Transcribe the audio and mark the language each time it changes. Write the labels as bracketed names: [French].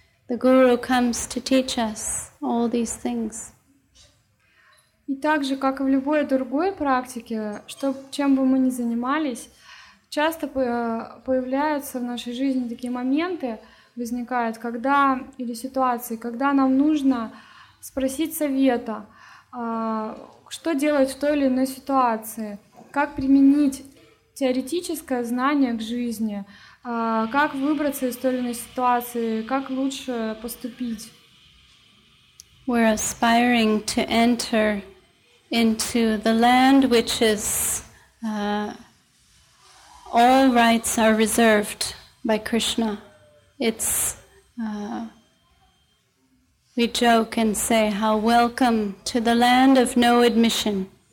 [English] The guru comes to teach us all these things. [Russian] И также, как и в любой другой практике, чем бы мы ни занимались, часто появляются в нашей жизни такие моменты, возникают, когда или ситуации, когда нам нужно спросить совета, что делать в той или иной ситуации. Как применить теоретическое знание к жизни, как выбраться из той или иной ситуации, как лучше поступить. [English] We're aspiring to enter into the land which is all rights are reserved by Krishna. It's we joke and say how welcome to the land of no admission.